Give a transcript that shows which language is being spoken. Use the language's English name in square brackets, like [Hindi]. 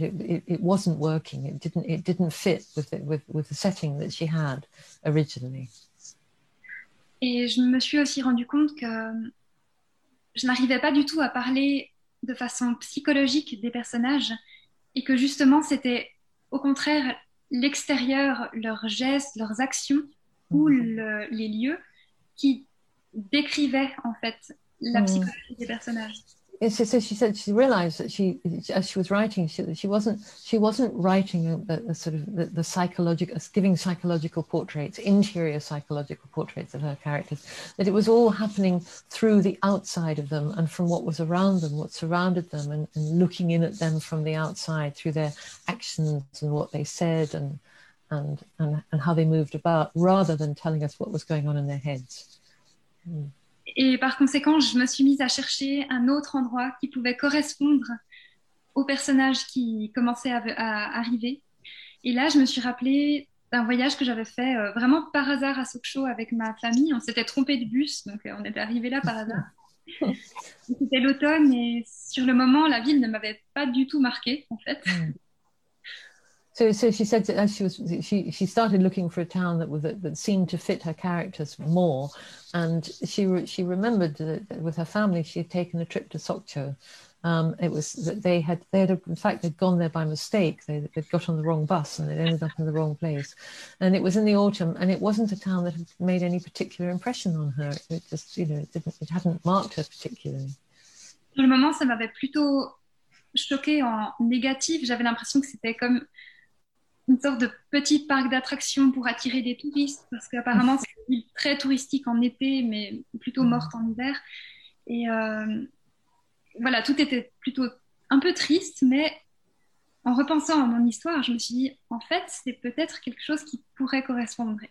[English] It wasn't working. It didn't fit with the setting that she had originally. [French] Et je me suis aussi rendu compte que je n'arrivais pas du tout à parler de façon psychologique des personnages et que justement c'était au contraire l'extérieur, leurs gestes, leurs actions ou les lieux qui décrivaient en fait la psychologie des personnages. [English] And so she said she realized that she, as she was writing, she wasn't writing a sort of the psychological, giving psychological portraits, interior psychological portraits of her characters, that it was all happening through the outside of them and from what was around them, what surrounded them, and looking in at them from the outside through their actions and what they said and how they moved about, rather than telling us what was going on in their heads. [French] Et par conséquent, je me suis mise à chercher un autre endroit qui pouvait correspondre au personnage qui commençait à arriver. Et là, je me suis rappelée d'un voyage que j'avais fait vraiment par hasard à Sokcho avec ma famille. On s'était trompé de bus, donc on était arrivé là par hasard. C'était l'automne et sur le moment, la ville ne m'avait pas du tout marquée, en fait. [English] So she said that she started looking for a town that seemed to fit her characters more, and she remembered that with her family she had taken a trip to Sokcho. It was that they had in fact they'd gone there by mistake. They'd got on the wrong bus and they'd ended up in the wrong place, and it was in the autumn, and it wasn't a town that had made any particular impression on her. It just, you know, it hadn't marked her particularly. [French] Pour le moment, ça m'avait plutôt choquée en négatif. J'avais l'impression que c'était comme une sorte de petit parc d'attractions pour attirer des touristes, parce qu'apparemment c'est une ville très touristique en été, mais plutôt morte en hiver. Et voilà, tout était plutôt un peu triste, mais en repensant à mon histoire, je me suis dit, en fait, c'est peut-être quelque chose qui pourrait correspondre.